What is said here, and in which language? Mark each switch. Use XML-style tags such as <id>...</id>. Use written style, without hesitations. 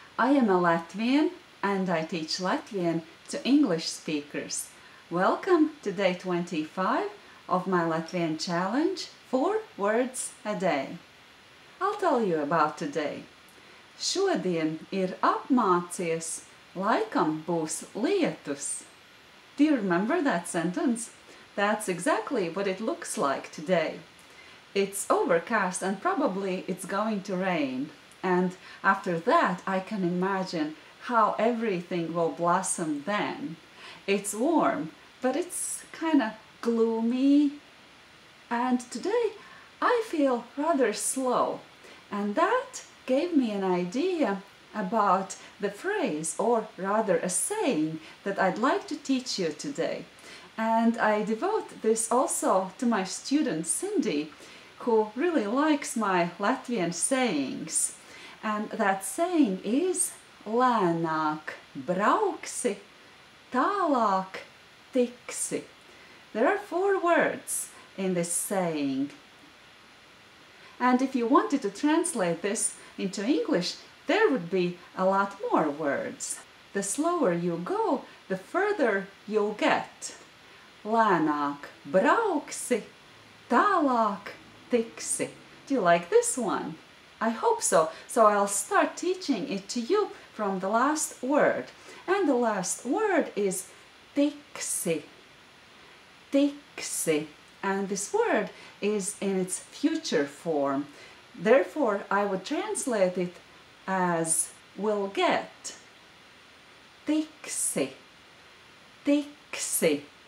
<en>I am a Latvian and I teach Latvian to English speakers. Welcome to day 25 of my Latvian challenge, 4 words a day. I'll tell you about today.</en> <lv>Šodien ir apmācies, laikam būs lietus.</lv> <en>Do you remember that sentence? That's exactly what it looks like today. It's overcast and probably it's going to rain. And after that, I can imagine how everything will blossom then. It's warm, but it's kind of gloomy. And today, I feel rather slow. And that gave me an idea about the phrase, or rather a saying, that I'd like to teach you today. And I devote this also to my student, Cindy, who really likes my Latvian sayings. And that saying is</en> <lv>lēnāk brauksi, tālāk tiksi.</lv> <en>There are 4 words in this saying. And if you wanted to translate this into English, there would be a lot more words. The slower you go, the further you'll get.</en> <lv>Lēnāk brauksi, tālāk tiksi.</lv> <en>Do you like this one? I hope so. So I'll start teaching it to you from the last word. And the last word is tiksi. Tiksi. And this word is in its future form. Therefore, I would translate it as will get. Tiksi. Tiksi.</en>